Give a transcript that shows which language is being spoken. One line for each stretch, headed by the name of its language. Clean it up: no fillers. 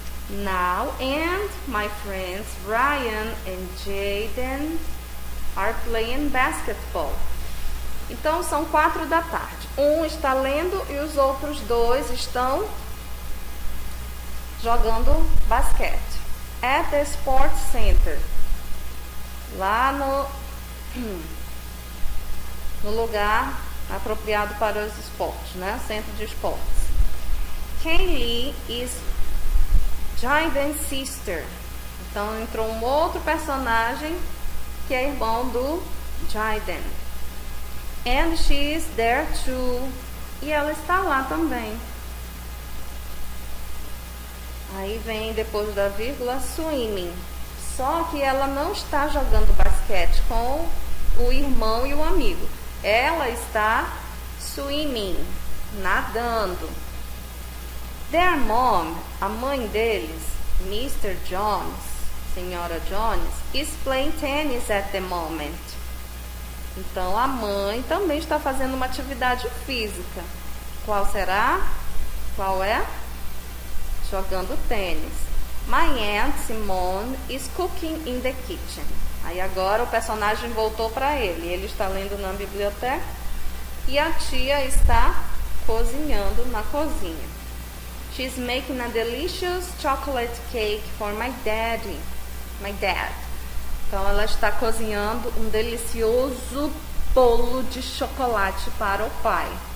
English: Now and my friends Ryan and Jaden are playing basketball.
Portuguese: Então são 4 da tarde. Um está lendo e os outros dois estão jogando basquete.
English: At the Sports Center.
Portuguese: Lá no lugar apropriado para os esportes, né? Centro de esportes.
English: Kaylee is Jaden's sister.
Portuguese: Então entrou um outro personagem que é irmão do Jaden.
English: And she is there too.
Portuguese: E ela está lá também. Aí vem depois da vírgula swimming. Só que ela não está jogando basquete com o irmão e o amigo. Ela está swimming, nadando.
English: Their mom,
Portuguese: a mãe deles,
English: Mr. Jones, senhora Jones, is playing tennis at the moment.
Portuguese: Então a mãe também está fazendo uma atividade física. Qual será? Qual é? Jogando tênis.
English: My aunt Simone is cooking in the kitchen.
Portuguese: Aí agora o personagem voltou para ele. Ele está lendo na biblioteca e a tia está cozinhando na cozinha.
English: She's making a delicious chocolate cake for my dad.
Portuguese: Então ela está cozinhando um delicioso bolo de chocolate para o pai.